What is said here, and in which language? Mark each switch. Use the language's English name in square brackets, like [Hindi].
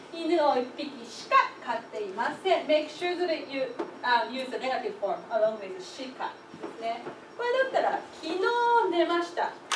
[Japanese] 犬を1匹しか飼っていません。 [English] Make sure that you use the negative form along with [Japanese] しかですね。これだったら、昨日寝ました。